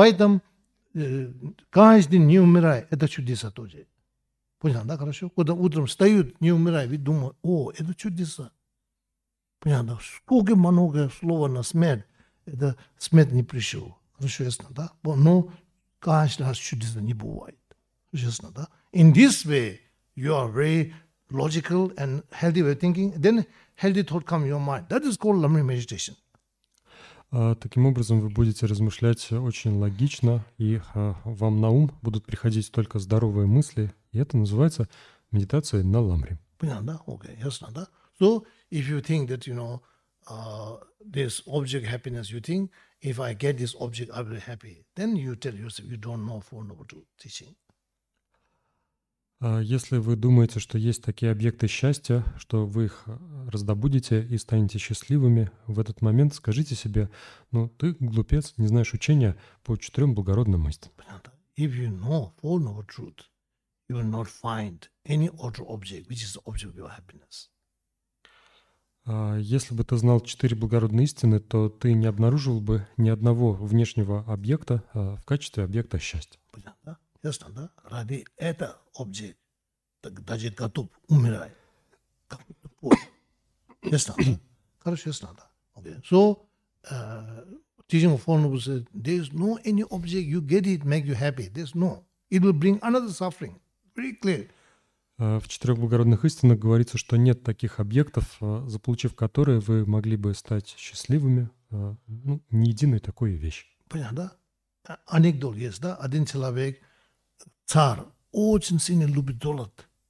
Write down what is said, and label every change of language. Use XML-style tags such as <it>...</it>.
<ru>Поэтому каждый день не умирай, это чудеса тоже. Понял, да, хорошо? Когда утром встают, не умирай, вы думаете, о, это чудеса. Понял, да? Сколько много слова на смерть, это смерть не пришел. Хорошо, ясно, да? Но каждый раз чудеса не бывает. Честно, да?</ru> <en>In this way, you are very logical and healthy way of thinking. Then healthy thought come your mind. That is called Lamri meditation.</en> <ru>Таким образом, вы будете размышлять очень логично, и вам на ум будут приходить только здоровые мысли, и это называется медитация на ламри. Понятно, да? Окей, ясно, да?</ru> <en>So, if you think that, you know, this object happiness, you think, if I get this object, I'll be happy, then you tell yourself, you don't know Four Noble Truths teaching.</en> <ru>Если вы думаете, что есть такие объекты счастья, что вы их раздобудете и станете счастливыми, в этот момент скажите себе, ну, ты, глупец, не знаешь учения по 4 благородным истинам. Понятно.</ru> <en>If you know Four Noble Truths, you will not find any other object, which is the object of your happiness.</en> <ru>Если бы ты знал 4 благородные истины, то ты не обнаружил бы ни одного внешнего объекта в качестве объекта счастья. Понятно, да? Ясно, да? Ради этого объекта даже готов умирать. Ясно, да? Короче, ясно, да?</ru> <en>Okay. So, teaching of Four Noble says, there is no any object, you get it, make you happy. There's no. It will bring another suffering. Very clear.</en> <ru>В 4 благородных истинах говорится, что нет таких объектов, заполучив которые, вы могли бы стать счастливыми, ну, не единой такой вещи. Понятно, да? Анекдот есть, да? Один человек, царь, очень сильно любит золото.</ru>